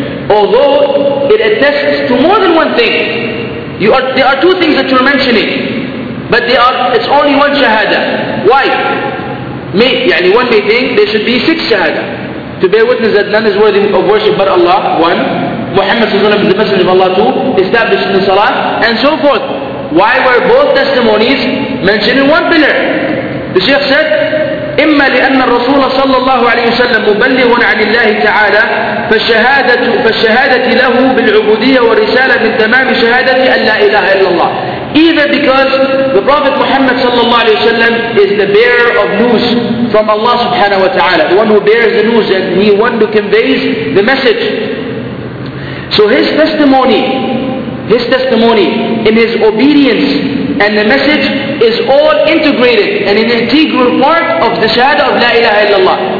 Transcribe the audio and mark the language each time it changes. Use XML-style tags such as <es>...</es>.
<en>Although it attests to more than one thing. There are two things that you're mentioning, but it's only one shahada. Why? One may think there should be six shahada to bear witness that none is worthy of worship but Allah. One, Muhammad is the Messenger of Allah. Two, established in the salah, and so forth. Why were both testimonies mentioned in one pillar? The Shaykh said,</en> <ar>إِمَّا لِأَنَّ الرَّسُولَ صَلَّى اللَّهُ عَلَيْهِ وَسَلَّمُ مُبَلِّغٌ عَنِ اللَّهِ تَعَالَى فَالشَّهَادَةِ لَهُ بِالْعُبُودِيَّةِ وَرِسَالَةِ مِنْ تَمَامِ شَهَادَةِ أَلَّا إِلَهَ إِلَّا اللَّهِ.</ar> <en>Either because the Prophet Muhammad sallallahu alayhi wa sallam is the bearer of news from Allah subhanahu wa ta'ala, the one who bears the news, and he one who conveys the message. So his testimony in his obedience and the message is all integrated and an integral part of the shahada of La ilaha illallah.</en>